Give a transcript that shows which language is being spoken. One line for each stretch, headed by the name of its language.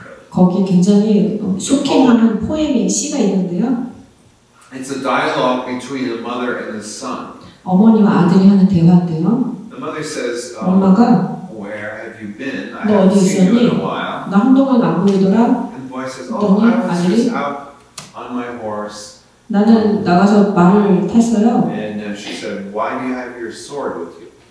Korean: 거기 굉장히 쇼킹하는 포엠의 시가 있는데요.
English: It's a dialogue between a mother and a son.
Korean: 어머니와 아들이 하는 대화인데요.
English: The mother says,
Korean: 엄마가,
English: Where have you been? I haven't seen you in a while.
Korean: 나 한동안 안 보이더라.
English: And the boy says, Oh, I was just out on my horse.
Korean: 나는 나가서 말을 탔어요.
English: And she said, Why do you have your sword with you?